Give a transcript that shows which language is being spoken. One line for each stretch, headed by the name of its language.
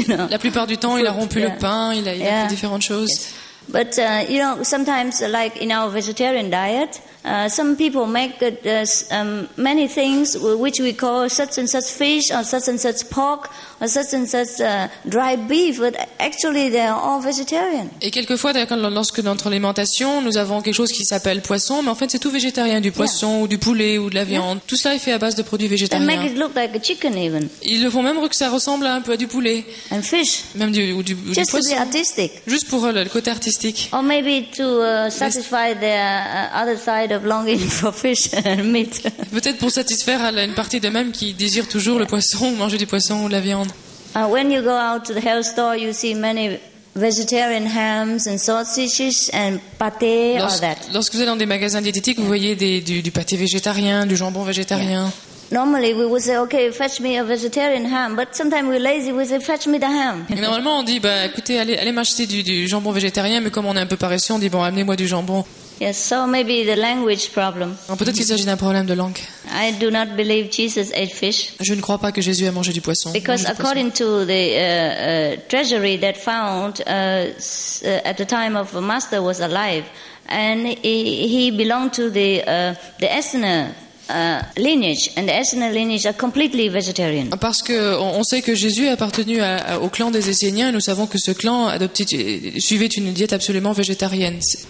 French: La plupart du temps, il a rompu le pain, il a fait différentes choses.
English: But you know, sometimes, like in our vegetarian diet, some people make many things which we call such and such fish or such and such pork or such and such dry beef, but actually they are all vegetarian.
French: Et quelquefois, lorsque dans notre alimentation, nous avons quelque chose qui s'appelle poisson, mais en fait, c'est tout végétarien, du poisson ou du poulet ou de la viande. Tout cela est fait à base de produits végétariens.
English: They make it look like a chicken even.
French: Ils le font même que ça ressemble un peu à du poulet.
English: And fish.
French: Même du poisson.
English: Just to be artistic.
French: Juste pour le côté artistique.
English: Or maybe to satisfy the other side of longing for fish and meat.
French: Peut-être pour satisfaire une partie de même qui désire toujours le poisson, manger du poisson ou de la viande.
English: When you go out to the health store, you see many vegetarian hams and sausages and pâté, all that.
French: Lorsque vous êtes dans des magasins diététiques, vous voyez du pâté végétarien, du jambon végétarien.
English: Yeah. Normally we would say, okay, fetch me a vegetarian ham. But sometimes we're lazy, we say, fetch me the ham.
French: Normalement on dit, écoutez, allez m'acheter du jambon végétarien. Mais comme on est un peu paresseux, on dit, amenez-moi du jambon.
English: Yes, so maybe the language problem.
French: Peut-être qu'il s'agit d'un problème de langue.
English: I do not believe Jesus ate fish.
French: Je ne crois pas que Jésus a mangé du poisson.
English: Because according to the treasury that found at the time of the master was alive, and he belonged to the Asana. Lineage and the Asana lineage are completely vegetarian.
French: Parce que on sait que Jésus appartenu au clan des Esséniens, nous savons que ce clan suivait une diète absolument végétarienne.